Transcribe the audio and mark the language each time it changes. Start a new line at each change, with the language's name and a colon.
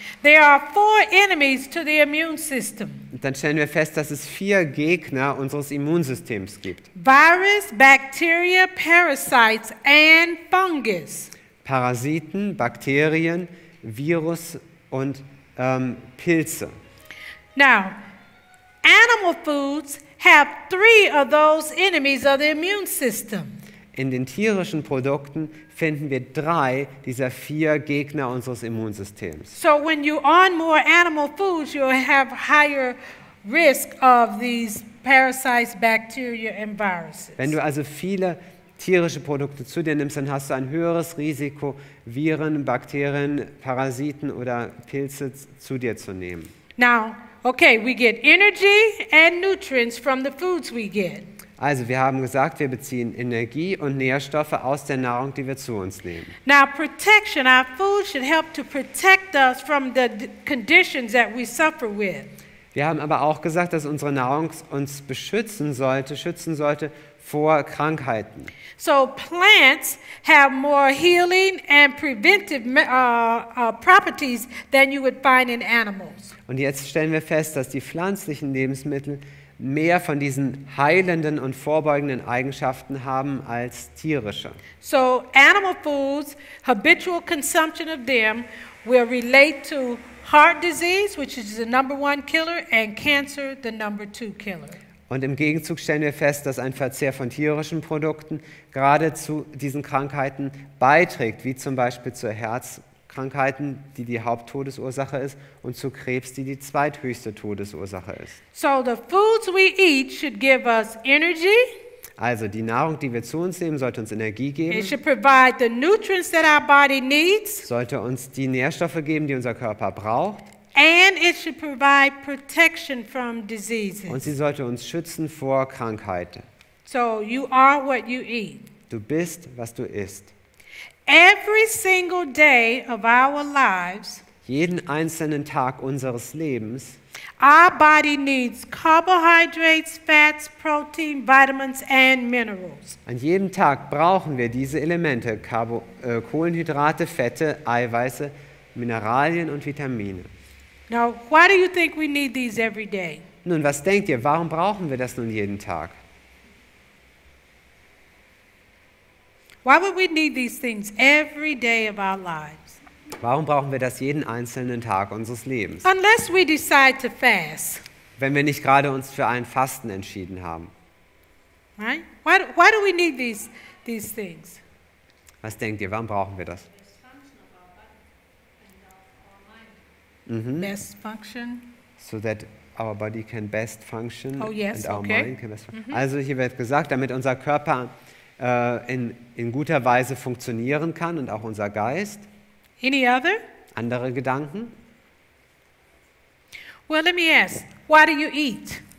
English: there are four enemies to the immune system.
German: Dann stellen wir fest, dass es vier Gegner unseres Immunsystems gibt.
English: Virus, Bacteria, Parasites and Fungus.
German: Parasiten, Bakterien, Virus und Pilze.
English: Now, animal foods have three of those enemies of the immune system.
German: In den tierischen Produkten finden wir drei dieser vier Gegner unseres Immunsystems.
English: So when you own more animal foods, you have higher risk of these parasites, bacteria and viruses.
German: Wenn du also viele tierische Produkte zu dir nimmst, dann hast du ein höheres Risiko, Viren, Bakterien, Parasiten oder Pilze zu dir zu nehmen.
English: Now, okay, we get energy and nutrients from the foods we get.
German: Also, wir haben gesagt, wir beziehen Energie und Nährstoffe aus der Nahrung, die wir zu uns nehmen.
English: Now, protection, our food should help to protect us from the conditions that we suffer with.
German: Wir haben aber auch gesagt, dass unsere Nahrung uns schützen sollte vor Krankheiten.
English: So plants have more healing and preventive properties than you would find in animals.
German: Und jetzt stellen wir fest, dass die pflanzlichen Lebensmittel mehr von diesen heilenden und vorbeugenden Eigenschaften haben als tierische.
English: So animal foods, habitual consumption of them will relate to heart disease, which is the number one killer, and cancer, the number two killer.
German: Und im Gegenzug stellen wir fest, dass ein Verzehr von tierischen Produkten gerade zu diesen Krankheiten beiträgt, wie zum Beispiel zu Herzkrankheiten, die die Haupttodesursache ist, und zu Krebs, die die zweithöchste Todesursache ist.
English: So the foods we eat should give us energy.
German: Also die Nahrung, die wir zu uns nehmen, sollte uns Energie geben.
English: It should provide the nutrients that our body needs.
German: Sollte uns die Nährstoffe geben, die unser Körper braucht.
English: And it should provide protection from diseases.
German: Und sie sollte uns schützen vor Krankheiten.
English: So you are what you eat.
German: Du bist, was du isst.
English: Every single day of our lives,
German: jeden einzelnen Tag unseres Lebens,
English: our body needs carbohydrates, fats, protein, vitamins and minerals.
German: An jedem Tag brauchen wir diese Elemente: Kohlenhydrate, Fette, Eiweiße, Mineralien und Vitamine.
English: Now, why do you think we need these every day?
German: Nun, was denkt ihr, warum brauchen wir das nun jeden Tag?
English: Why would we need these things every day of our lives?
German: Warum brauchen wir das jeden einzelnen Tag unseres Lebens?
English: Unless we decide to fast.
German: Wenn wir nicht gerade uns für ein Fasten entschieden haben.
English: Right? Why do we need these things?
German: Was denkt ihr, warum brauchen wir das?
English: Mm-hmm. Best function. So that our body can best function. Oh yes, and our okay. Mind can best function. Mm-hmm.
German: Also hier wird gesagt, damit unser Körper in guter Weise funktionieren kann und auch unser Geist.
English: Any other?
German: Andere Gedanken?
English: Well, let me ask, why do you eat?